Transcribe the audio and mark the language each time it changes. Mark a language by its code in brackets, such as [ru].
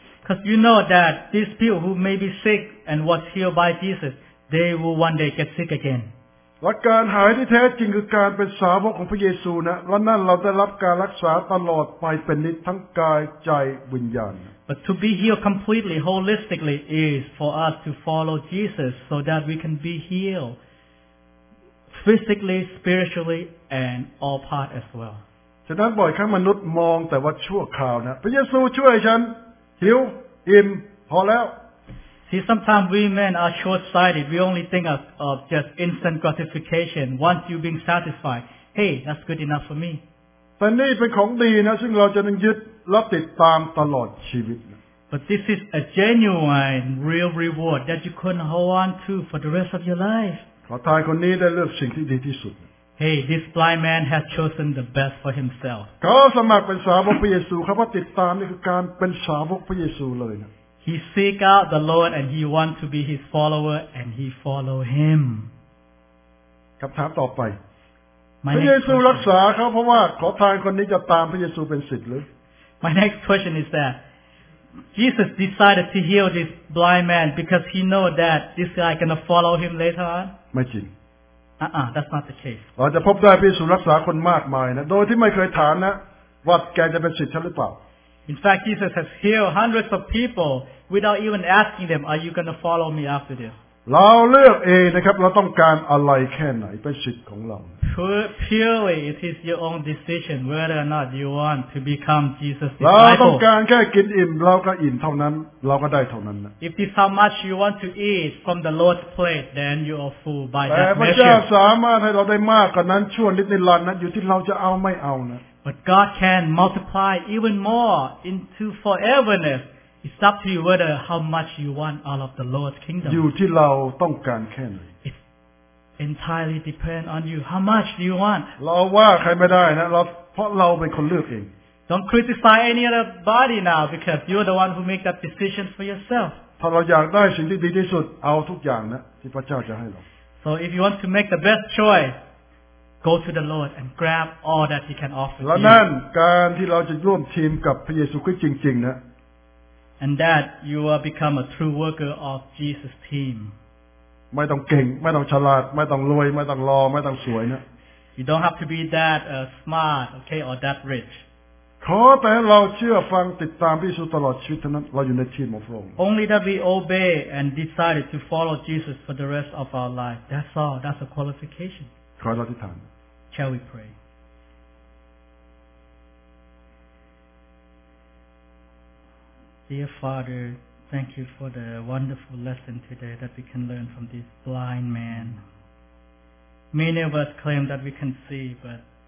[en] Because you know that these people who may be sick and was healed by Jesus, they will one day get sick again. [th] และการหายที่แท้จริงคือการเป็นสาวกของพระเยซูนะและนั่นเราได้รับการรักษาตลอดไปเป็นนิจทั้งกายใจวิญญาณ [en] But to be healed completely, holistically, is for us to follow Jesus so that we can be healed physically, spiritually, and all part as well. [th] ฉะนั้นบ่อยครั้งมนุษย์มองแต่ว่าชั่วคราวนะพระเยซูช่วยฉันหิวอิ่มพอแล้ว [en] See sometimes we men are short-sighted. We only think of just instant gratification. Once you being satisfied, hey, that's good enough for me. [th] แต่นี่เป็นของดีนะซึ่งเราจะต้องยึดและติดตามตลอดชีวิต [en] But this is a genuine, real reward that you can hold on to for the rest of your life. [th] ขอทานคนนี้ได้เลือกสิ่งที่ดีที่สุด [en] Hey, this blind man has chosen the best for himself. [th] เขาสมัครเป็นสาวกพระเยซูเขาว่าติดตามนี่คือการเป็นสาวกพระเยซูเลยนะ [en] He seek out the Lord and he want to be his follower and he follow him. [th] คำถามต่อไปพระเยซูรักษาเขาเพราะว่าขอทานคนนี้จะตามพระเยซูเป็นศิษย์หรือ [en] My next question is that Jesus decided to heal this blind man because he know that this guy gonna follow him later on? [th] ไม่จริง [en] That's not the case. [th] เราจะพบได้พระเยซูรักษาคนมากมายนะโดยที่ไม่เคยถามนะว่าแกจะเป็นศิษย์ฉันหรือเปล่า [en] In fact, Jesus has healed hundreds of people without even asking them, "Are you going to follow me after this?" [th] เราเลือกเองนะครับเราต้องการอะไรแค่ไหนเป็นศิษย์ของเรา [en] Purely, it is your own decision whether or not you want to become Jesus' disciple. [th] เราต้องการแค่กินอิ่มเราก็อิ่มเท่านั้นเราก็ได้เท่านั้นนะ [en] If it's how much you want to eat from the Lord's plate, then you are full by that measure. [th] แต่พระเจ้าสามารถให้เราได้มากกว่านั้นชั่วนิดนิรันดร์นะอยู่ที่เราจะเอาไม่เอานะ [en] But God can multiply even more into foreverness. It's up to you whether how much you want out of the Lord's kingdom. [th] อยู่ที่เราต้องการแค่ไหน [en] Entirely depend on you. How much do you want? [th] เราว่าใครไม่ได้นะเราเพราะเราเป็นคนเลือกเอง [en] Don't criticize any other body now because you're the one who make that decision for yourself. [th] ถ้าเราอยากได้สิ่งที่ดีที่สุดเอาทุกอย่างนะที่พระเจ้าจะให้เรา [en] So if you want to make the best choice, go to the Lord and grab all that He can offer you. [th] และนั่นการที่เราจะร่วมทีมกับพระเยซูคริสต์จริงๆนะ [en] And that you will become a true worker of Jesus' team. [th] ไม่ต้องเก่งไม่ต้องฉลาดไม่ต้องรวยไม่ต้องรอไม่ต้องสวยนะ [en] You don't have to be that smart okay or that rich [th] ขอแต่เราเชื่อฟังติดตามพระเยซูตลอดชีวิตเท่านั้นเราอยู่ในทีมของพระองค์ [en] Only that we obey and decided to follow Jesus for the rest of our life that's all that's a qualification [th] ขอเราอธิษฐาน [en] Shall we pray Dear FatherThank you for the wonderful lesson today that we can learn from this blind man. Many of us claim that we can see, but